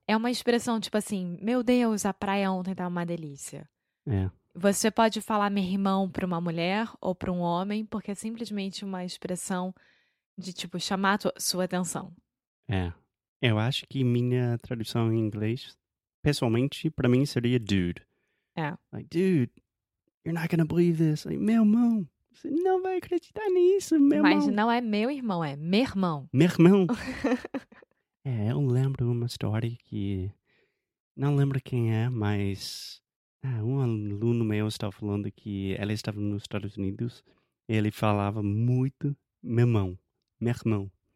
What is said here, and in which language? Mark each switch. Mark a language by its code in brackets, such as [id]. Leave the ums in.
[pt] é uma expressão tipo assim, meu Deus, a praia ontem estava uma delícia. É. Você pode falar meu irmão para uma mulher ou para um homem, porque é simplesmente uma expressão de tipo chamar sua atenção. É. Eu acho que minha tradução em inglês, pessoalmente, para mim seria dude. É. [en] Like, dude, you're not gonna believe this. [pt] Like, meu irmão. Você não vai acreditar nisso, meu mas irmão. Mas não é meu irmão, é meu irmão. Meu irmão? é, eu lembro uma história que. Não lembro quem é, mas ah, um aluno meu estava falando que ela estava nos Estados Unidos e ele falava muito memão, mermão.